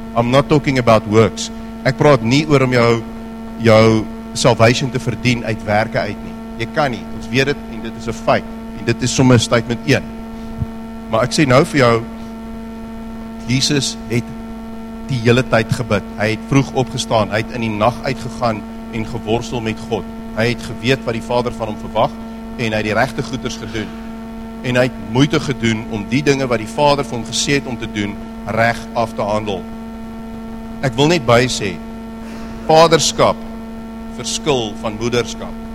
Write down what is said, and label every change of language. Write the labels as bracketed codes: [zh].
[en] I'm not talking about works. [af] Ek praat nie oor om jou salvation te verdien uit werke uit nie. Jy kan nie. Ons weet dit en dit is 'n feit. En dit is sommer statement 1. Maar ek sê nou vir jou, Jesus het die hele tyd gebid. Hy het vroeg opgestaan, hy het in die nag uitgegaan en geworstel met God. Hy het geweet wat die Vader van hom verwag en hy het die regte goeders gedoen. En hy het moeite gedoen om die dinge wat die Vader vir hom gesê het om te doen, reg af te handel. Ek wil net by sê, vaderskap verskil van moederskap.